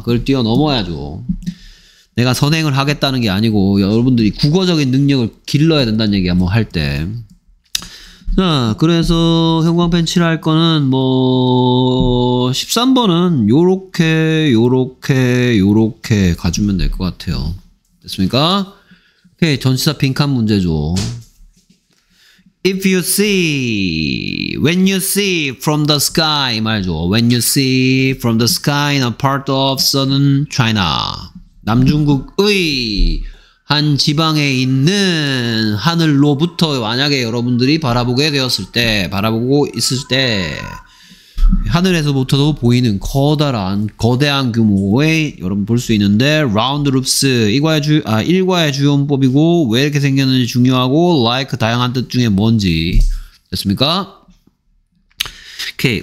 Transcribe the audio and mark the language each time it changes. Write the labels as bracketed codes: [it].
[ko] 그걸 뛰어넘어야죠. 내가 선행을 하겠다는 게 아니고 여러분들이 국어적인 능력을 길러야 된다는 얘기야 뭐 할 때. 자, 그래서 형광펜 칠할 거는 뭐 13번은 요렇게 가주면 될 것 같아요. 됐습니까? 오케이, 전치사 빈칸 문제죠. [en] If you see, when you see from the sky [ko] 말이죠. [en] When you see from the sky in a part of southern China. [ko] 남중국의 한 지방에 있는 하늘로부터 만약에 여러분들이 바라보게 되었을 때, 바라보고 있을 때 하늘에서부터도 보이는 거대한 규모의 여러분 볼 수 있는데 [en] round roofs [ko] 일과의 주요 문법이고 왜 이렇게 생겼는지 중요하고 like 다양한 뜻 중에 뭔지 됐습니까? 오케이.